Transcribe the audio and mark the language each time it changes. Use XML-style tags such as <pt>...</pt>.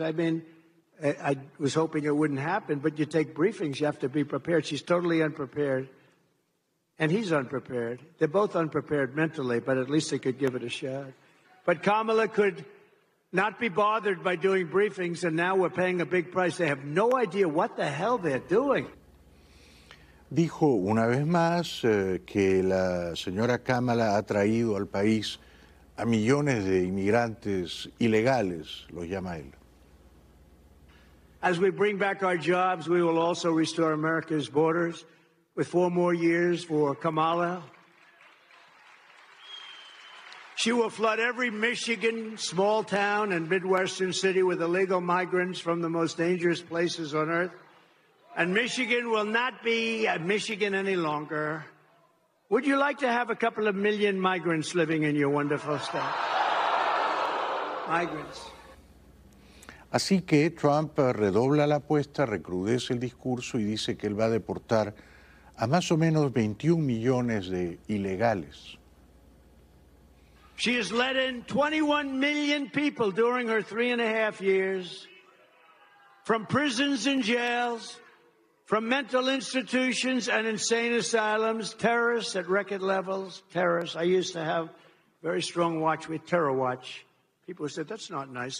<en>I mean, I was hoping it wouldn't happen, but you take briefings, you have to be prepared. She's totally unprepared, and he's unprepared. They're both unprepared mentally, but at least they could give it a shot. But Kamala could not be bothered by doing briefings, and now we're paying a big price. They have no idea what the hell they're doing.</en> <es>Dijo una vez más que la señora Kamala ha traído al país a millones de inmigrantes ilegales, lo llama él.</es> <en>As we bring back our jobs, we will also restore America's borders with four more years for Kamala. She will flood every Michigan small town and Midwestern city with illegal migrants from the most dangerous places on earth. And Michigan will not be Michigan any longer. Would you like to have a couple of million migrants living in your wonderful state? Migrants.</en> <es>Así que Trump redobla la apuesta, recrudece el discurso y dice que él va a deportar a más o menos 21 millones de ilegales.</es> <en>She has let in 21 million people during her 3.5 years from prisons and jails, from mental institutions and insane asylums, terrorists at record levels, terrorists. I used to have a very strong watch with Terror Watch. People said, that's not nice.</en>